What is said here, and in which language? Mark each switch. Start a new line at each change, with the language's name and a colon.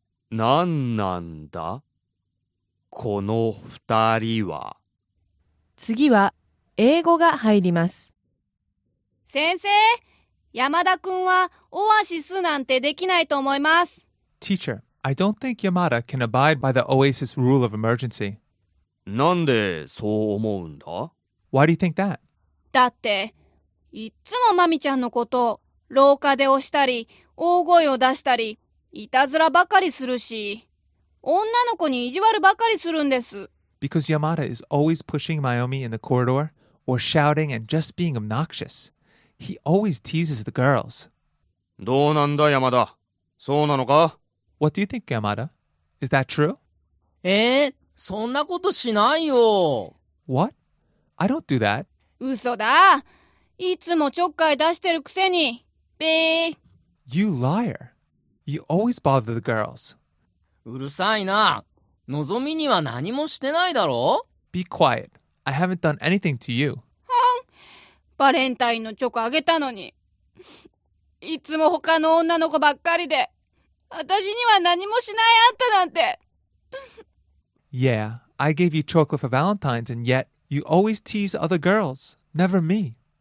Japanese: なんなんだこの二人は。次は英語が入ります。先生、山田くんはオアシスなんてできないと思います。
English: Teacher, I don't think Yamada can abide by the Oasis rule of emergency.
Japanese: なんでそう思うんだ?
English: Why do you think that?
Japanese: だっていつもマミちゃんのことを廊下で押したり大声を出したりいたずらばかりするし女の子に意地悪ばかりするんです。
English: Because Yamada is always pushing Mayumi in the corridor or shouting and just being obnoxious. He always teases the girls.
Japanese: どうなんだ山田、そうなのか?
English: What do you think, Yamada? Is that true?
Japanese: そんなことしないよ。
English: What? I don't do that.
Japanese: 嘘だ。いつもちょっかい出してるくせに。ベー。
English: You liar. You always bother the girls.
Japanese: うるさいな。のぞみには何もしてないだろ。
English: Be quiet. I haven't done anything to you.
Japanese: はん。バレンタインのチョコあげたのに。いつも他の女の子ばっかりで、私には何もしないあんたなんて。
English: Yeah, I gave you chocolate for Valentine's, and yet you always tease other girls, never me.